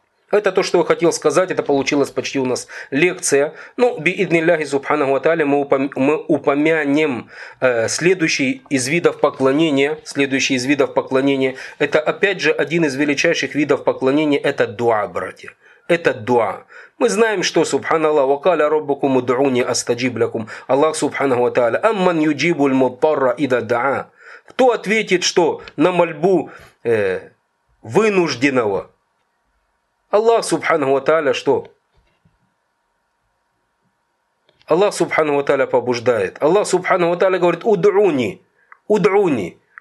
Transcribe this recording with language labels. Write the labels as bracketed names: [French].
[Russian] Это то, что я хотел сказать. Это получилась почти у нас лекция. Ну, би идниллахи субханаху ва тааля, мы упомянем следующий из видов поклонения. Следующий из видов поклонения. Это, опять же, один из величайших видов поклонения. Это дуа, братья. Это дуа. Мы знаем, что субханаллах, [Arabic] وقال ربكم ادعوني استجب لكم. [Russian] Аллах субханаху ва тааля. [Arabic] Амман юджибу аль-муттара иза даа. [Russian] Кто ответит, что на мольбу вынужденного? Аллах субханаху ва тааля что? Аллах субханаху ва тааля побуждает. Аллах субханаху ва тааля говорит: [Arabic] «Удуни, удуни».